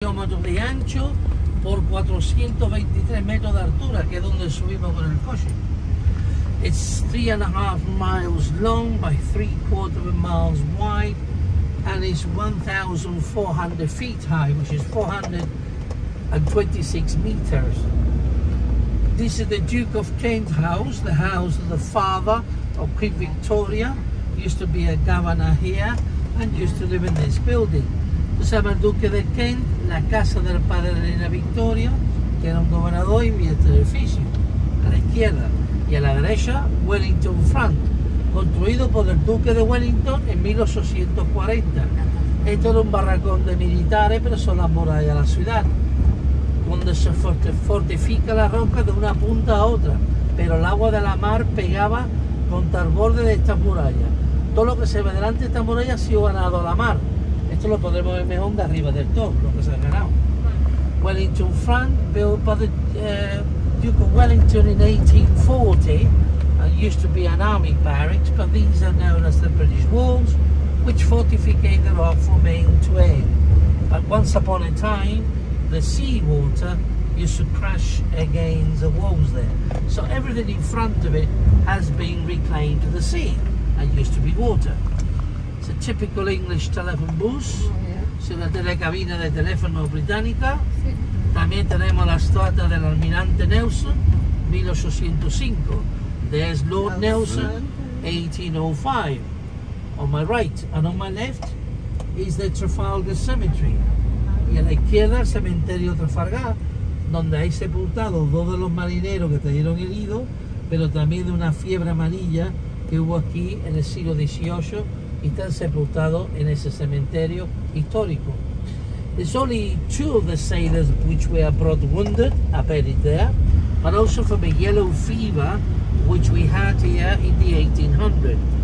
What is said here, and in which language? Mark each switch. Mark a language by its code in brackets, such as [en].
[es] kilómetros de ancho por 423 metros de altura, que es donde subimos con el coche. [en] It's 3.5 miles long by 3/4 miles wide, and it's 1,400 feet high, which is 426 meters. This is the Duke of Kent house, the house of the father of Queen Victoria. Used to be a governor here and used to live in this building. [es] Se llama Duque de Kent, la casa del padre de la Victoria, que era un gobernador, y mi edificio a la izquierda. Y a la derecha, Wellington Front, construido por el Duque de Wellington en 1840. Esto era un barracón de militares, pero son las murallas de la ciudad, donde se fortifica la roca de una punta a otra, pero el agua de la mar pegaba contra el borde de estas murallas. Todo lo que se ve delante de esta muralla ha sido ganado a la mar. Esto lo podremos ver mejor de arriba del todo, lo que se ha ganado. [en] Wellington Front, built by the Duke of Wellington in 1840, and used to be an army barracks, but these are known as the British Walls, which fortified the rock from end to end. But once upon a time, the sea water used to crash against the walls there. So everything in front of it has been reclaimed to the sea and used to be water. It's a typical English telephone booth. [es] Sí, la telecabina de teléfono británica. Sí. También tenemos la estatua del almirante Nelson, 1805. [en] There's Lord Nelson, 1805. On my right, and on my left, is the Trafalgar Cemetery. [es] Y a la izquierda, el cementerio Trafalgar, donde hay sepultado dos de los marineros que trajeron heridos, pero también de una fiebre amarilla que hubo aquí en el siglo XVIII, y están sepultados en ese cementerio histórico. [en] There's only two of the sailors which were brought wounded, a buried there, but also from a yellow fever which we had here in the 1800s.